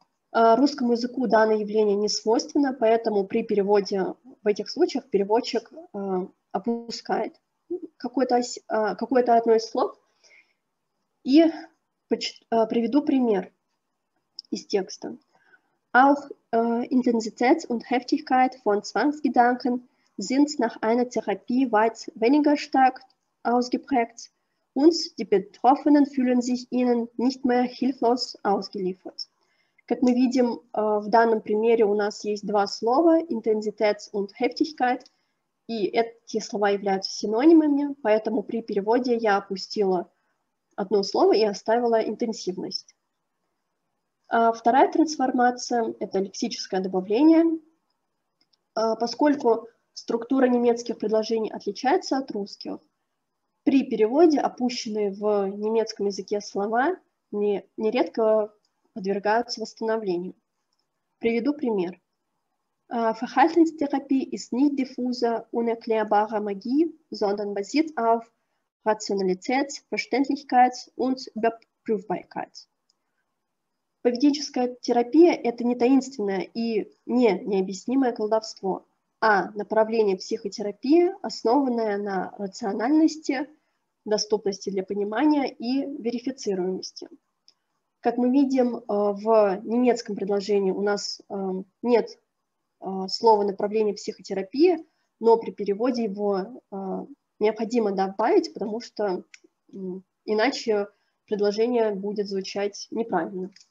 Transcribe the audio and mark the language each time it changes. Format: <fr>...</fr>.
<ru>Русскому языку данное явление не свойственно, поэтому при переводе в этих случаях переводчик опускает какое-то одно из слов. И приведу пример из текста.</ru> <de>Auch Intensität und Heftigkeit von Zwangsgedanken sind nach einer Therapie weit weniger stark ausgeprägt und die Betroffenen fühlen sich ihnen nicht mehr hilflos ausgeliefert.</de> <ru>Как мы видим, в данном примере у нас есть два слова «intensität» и «heftigkeit», и эти слова являются синонимами, поэтому при переводе я опустила одно слово и оставила интенсивность. А вторая трансформация – это лексическое добавление. Поскольку структура немецких предложений отличается от русских, при переводе опущенные в немецком языке слова нередко подвергаются восстановлению. Приведу пример.</ru> <de>Verhaltenstherapie ist nicht diffuse, unerklärbare Magie, sondern basiert auf Rationalität, Verständlichkeit und Überprüfbarkeit.</de> <ru>Поведенческая терапия – это не таинственное и не необъяснимое колдовство, а направление психотерапии, основанное на рациональности, доступности для понимания и верифицируемости. Как мы видим, в немецком предложении у нас нет слова «направление психотерапии», но при переводе его необходимо добавить, потому что иначе предложение будет звучать неправильно.</ru>